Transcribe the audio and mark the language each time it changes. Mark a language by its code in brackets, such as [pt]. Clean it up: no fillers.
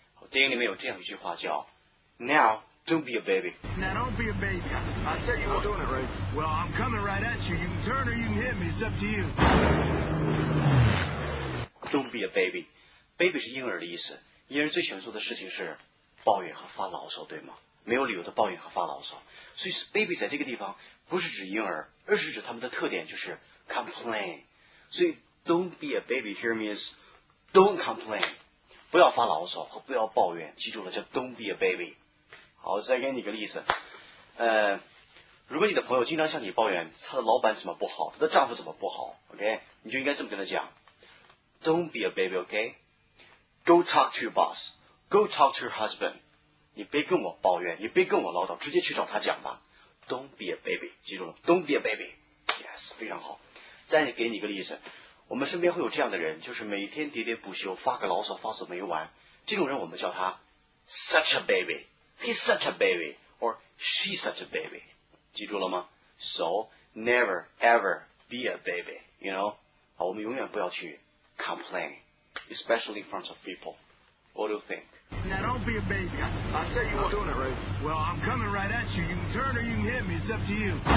[zh] 电影里面有这样一句话叫 [en] Now,Don't be a baby. Now, don't be a baby. I'll tell you what. I'm doing it, Ray. Well, I'm coming right at you. You can turn or you can hit me. It's up to you. Don't be a baby. [zh] Baby 是婴儿的意思，婴儿最喜欢做的事情是抱怨和发牢骚，对吗？没有理由的抱怨和发牢骚。所以 Baby 在这个地方不是指婴儿，而是指他们的特点，就是 complain。所以 [en] don't be a baby here means don't complain， [zh] 不要发牢骚和不要抱怨，记住了，叫 [en] don't be a baby。 [zh] 好，再给你个例子，如果你的朋友经常向你抱怨他的老板怎么不好，他的丈夫怎么不好， OK， 你就应该这么跟他讲， [en] don't be a baby， [zh] OK， [en] go talk to your boss， go talk to your husband， [zh] 你别跟我抱怨，你别跟我唠叨，直接去找他讲吧， don't be a baby， 记住了， don't be a baby， [en] yes， [zh] 非常好。再给你一个例子，我们身边会有这样的人，就是每天喋喋不休，发个牢骚发死没完，这种人我们叫他 [en] such a baby， he's such a baby， [zh] or she's such a baby，记住了吗？ [en] So never ever be a baby, you know? [zh] 好，我们永远不要去 [en] complain, especially in front of people. What do you think? Now don't be a baby. I'll tell you what, doing it right. Well, I'm coming right at you. You can turn or you can hit me. It's up to you.